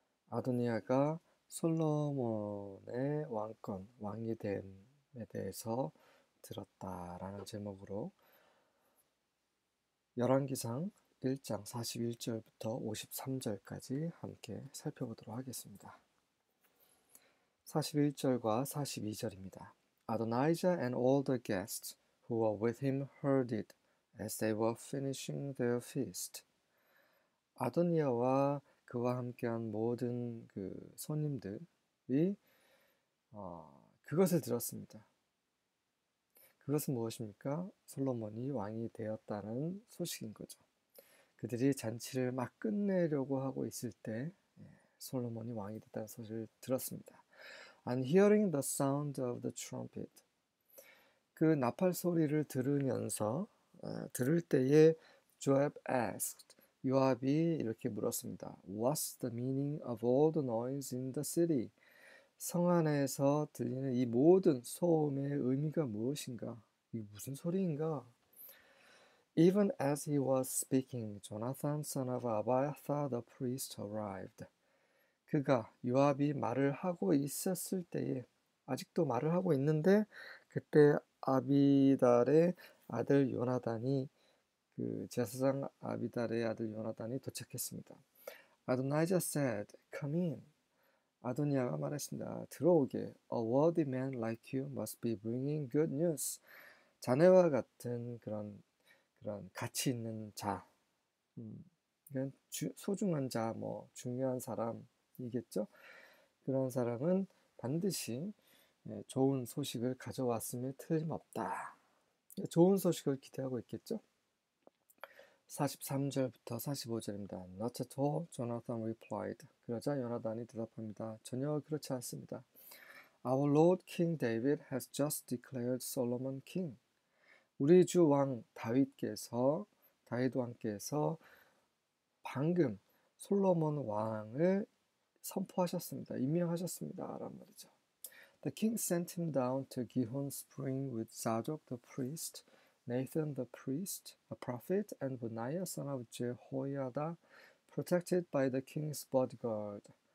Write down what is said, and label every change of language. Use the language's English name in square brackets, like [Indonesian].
[Korean] 아도니아가 솔로몬의 왕권, 왕이 됨에 대해서 들었다라는 제목으로 열왕기상 1장 41절부터 53절까지 함께 살펴보도록 하겠습니다. 41절과 42절입니다. [English] Adonijah and all the guests who were with him heard it as they were finishing their feast. [Korean] 아도니아와 그와 함께한 모든 그 손님들이 그것을 들었습니다. 그것은 무엇입니까? 솔로몬이 왕이 되었다는 소식인 거죠. 그들이 잔치를 막 끝내려고 하고 있을 때 솔로몬이 왕이 됐다는 소식을 들었습니다. [English] And hearing the sound of the trumpet. [Korean] 그 나팔 소리를 들으면서 들을 때에 [English] Joab asked, [Korean] 요압이 이렇게 물었습니다. [English] What's the meaning of all the noise in the city? [Korean] 성 안에서 들리는 이 모든 소음의 의미가 무엇인가? 이게 무슨 소리인가? [English] Even as he was speaking, Jonathan, son of Abiathar, the priest, arrived. [Korean] 그가 요압이 말을 하고 있었을 때에 아직도 말을 하고 있는데 그때 아비달의 아들 요나단이 그 제사장 아비달의 아들 요나단이 도착했습니다. [English] Adonijah said, "Come in." [Korean] 아도니아가 말했습니다. 들어오게. [English] A worthy man like you must be bringing good news. [Korean] 자네와 같은 그런 가치 있는 자, 소중한 자, 뭐 중요한 사람. 이겠죠? 그런 사람은 반드시 좋은 소식을 가져왔음에 틀림없다. 좋은 소식을 기대하고 있겠죠? 43절부터 45절입니다. [English] Not at all, Jonathan replied. [Korean] 그러자 요나단이 대답합니다. 전혀 그렇지 않습니다. [English] Our Lord King David has just declared Solomon King. [Korean] 우리 주왕 다윗 왕께서 방금 솔로몬 왕을 선포하셨습니다. 임명하셨습니다. 라는 말이죠. [English] The king sent him down to Gihon Spring with Zadok the priest, Nathan the priest, a prophet, and Benaiah son of Jehoiada, protected by the king's bodyguard.